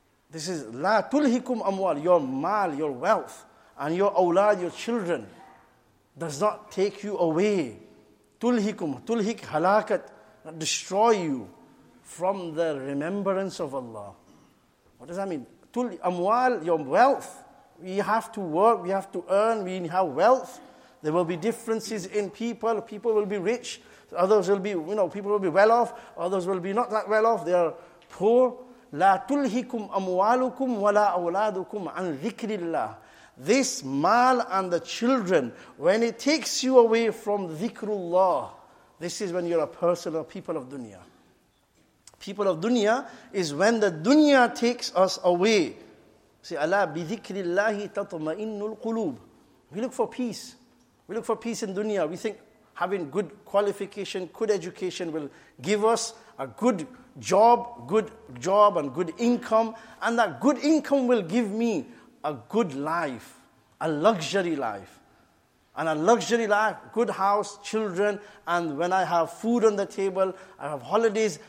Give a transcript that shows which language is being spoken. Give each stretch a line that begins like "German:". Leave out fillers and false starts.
English: This is,
Arabic: لَا تُلْهِكُمْ أَمْوَالُ,
English: your mal, your wealth, and your awlad, your children, does not take you away.
Arabic: تُلْهِكُمْ, تُلْهِكْ
English: halakat, destroy you from the remembrance of Allah. What does that mean?
Arabic: تُلْ أَمْوَال,
English: your wealth. We have to work, we have to earn, we have wealth. There will be differences in people. People will be rich. Others will be, you know, people will be well off. Others will be not that well off. They are poor.
Arabic: لَا تُلْهِكُمْ أَمْوَالُكُمْ وَلَا أَوْلَادُكُمْ عَنْ ذِكْرِ اللَّهِ.
English: This mal and the children, when it takes you away from dhikrullah, this is when you're a person or people of dunya. People of dunya is when the dunya takes us away. See,
Arabic: أَلَا بِذِكْرِ اللَّهِ تَطْمَئِنُّ الْقُلُوبِ.
English: We look for peace. We look for peace in dunya. We think having good qualification, good education will give us a good job and good income. And that good income will give me a good life, a luxury life. And a luxury life, good house, children, and when I have food on the table, I have holidays.